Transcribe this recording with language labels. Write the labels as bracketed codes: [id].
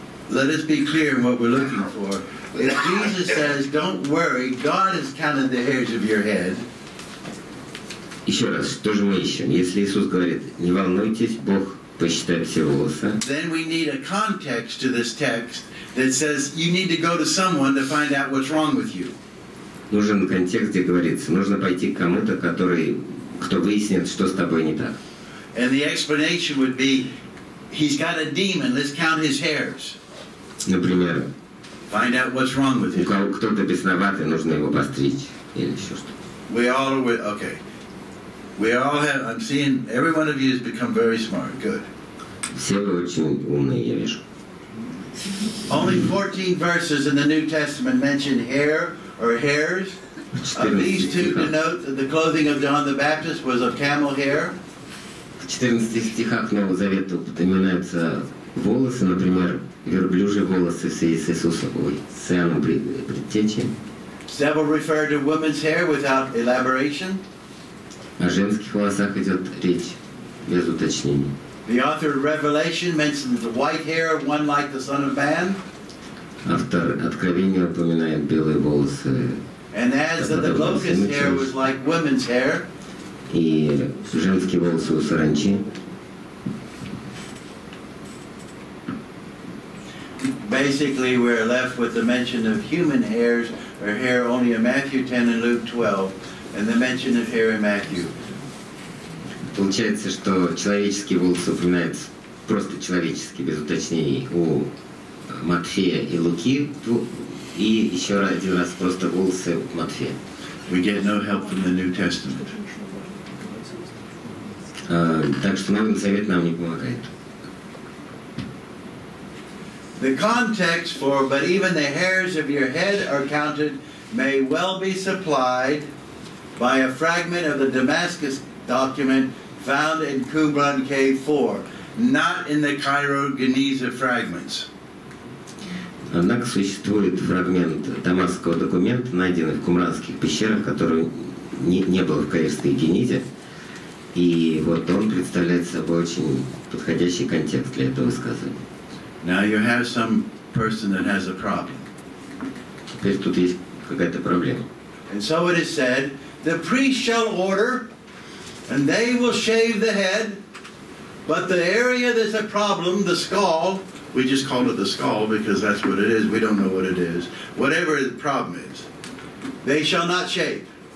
[en] Let us be clear in what we're looking for. If Jesus says, don't worry, God has counted the hairs of your head. [ru] Еще раз, что же мы ищем? Если Иисус говорит, не волнуйтесь, Бог посчитает все волосы. [en] Then we need a context to this text that says, you need to go to someone to find out what's wrong with you. [ru] Нужен контекст, где говорится, нужно пойти к кому-то, кто выяснит, что с тобой не так. [en] And the explanation would be, he's got a demon, let's count his hairs. [ru] Например, [en] find out what's wrong with him. [ru] Кто-то бесноватый, нужно его постричь или еще что. [en] We all with okay. We all have. I'm seeing every one of you has become very smart. Good. [ru] Все вы очень умные, я вижу. [en] Only 14 verses in the New Testament mention hair or hairs. Of these two, denote that the clothing of John the Baptist was of camel hair. [ru] В 14 стихах Нового Завета упоминаются волосы, например. Верблюжьи волосы в связи с Иисусом, с Иоанном Предтечем. [en] Several refer to women's hair without elaboration. [ru] О женских волосах идет речь, без уточнений. [en] The author of Revelation mentions the white hair of one like the Son of Man. [ru] Автор Откровения упоминает белые волосы. [en] And adds that the locust hair was like women's hair. [ru] И женские волосы у саранчи. [en] basically we're left with the mention of human hairs or hair only in Matthew 10 and Luke 12, and the mention of hair in Matthew. [ru] Получается, что человеческие волосы упоминаются просто человеческие, без уточнений, у Матфея и Луки, и еще один раз просто волосы у Матфея. [en] We get no help from the New Testament. [ru] Так что Новый Завет нам не помогает. [en] The context for but even the hairs of your head are counted may well be supplied by a fragment of the Damascus document found in Qumran K4, not in the Cairo Geniza fragments. [ru] Однако существует фрагмент дамасского документа, найденный в кумранских пещерах, который не был в Каирской Генизе. И вот он представляет собой очень подходящий контекст для этого высказывания. [en] Now you have some person that has a problem. [ru] Теперь тут есть какая-то проблема. [en] And so it is said, the priest shall order, and they will shave the head, but the area that's a problem, the skull, we just called it the skull because that's what it is, we don't know what it is, whatever the problem is, they shall not shave.